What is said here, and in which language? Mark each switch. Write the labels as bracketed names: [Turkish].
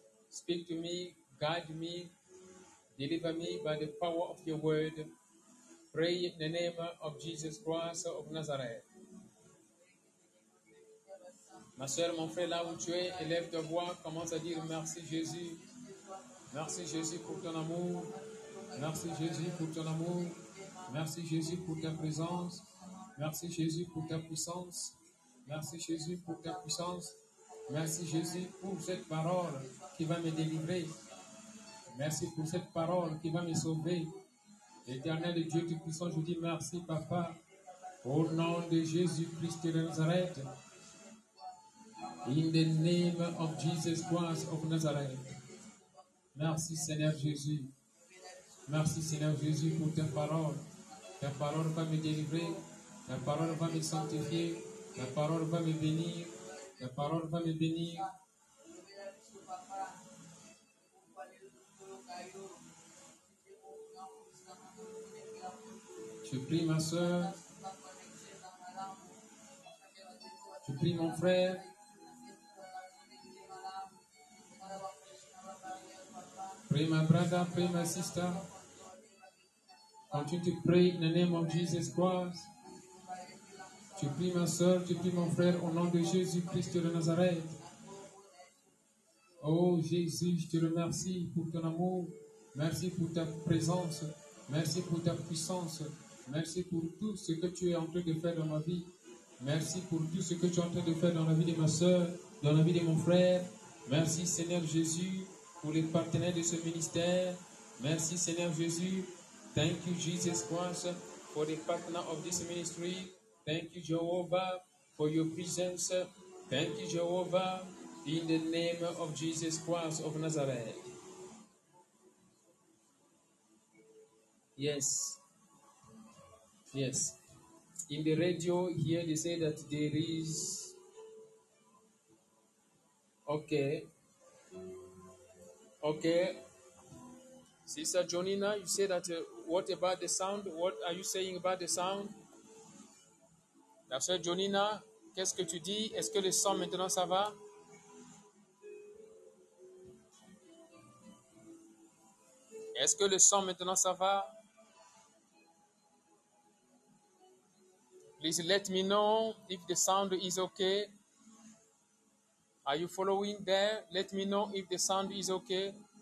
[English] Speak to me, guide me, deliver me by the power of your word. Pray in the name of Jesus Christ of Nazareth. [French] Ma soeur, mon frère, là où tu es, élève de voix, commence à dire merci Jésus. Merci Jésus pour ton amour. Merci Jésus pour ton amour. Merci Jésus pour ta présence. Merci Jésus pour ta puissance. Merci Jésus pour ta puissance. Merci Jésus pour cette parole qui va me délivrer. Merci pour cette parole qui va me sauver. Éternel Dieu tout puissant, je vous dis merci Papa. Au nom de Jésus Christ de Nazareth. [English] In the name of Jesus Christ of Nazareth. [French] Merci Seigneur Jésus. Merci Seigneur Jésus pour ta parole. Ta parole va me délivrer. Ta parole va me sanctifier. La parole va me bénir. La parole va me bénir. Je prie ma soeur. Je prie mon frère. Prie ma [English] brother, [French] prie ma [English] sister. Continue to pray in the name of Jesus Christ. [French] Tu pries ma soeur, tu pries mon frère au nom de Jésus Christ de Nazareth. Oh Jésus, je te remercie pour ton amour. Merci pour ta présence. Merci pour ta puissance. Merci pour tout ce que tu es en train de faire dans ma vie. Merci pour tout ce que tu es en train de faire dans la vie de ma soeur, dans la vie de mon frère. Merci Seigneur Jésus pour les partenaires de ce ministère. Merci Seigneur Jésus. [English] Thank you Jesus Christ for the partner of this ministry. Thank you, Jehovah, for your presence. Thank you, Jehovah, in the name of Jesus Christ of Nazareth. Yes. Yes. In the radio here, they say that there is... Okay. Okay. Sister Jonina, you say that, what about the sound? What are you saying about the sound? [French] La soeur Jonina, qu'est-ce que tu dis? Est-ce que le son maintenant ça va? Est-ce que le son maintenant ça va? [English] Please let me know if the sound is okay. Are you following there? Let me know if the sound is okay.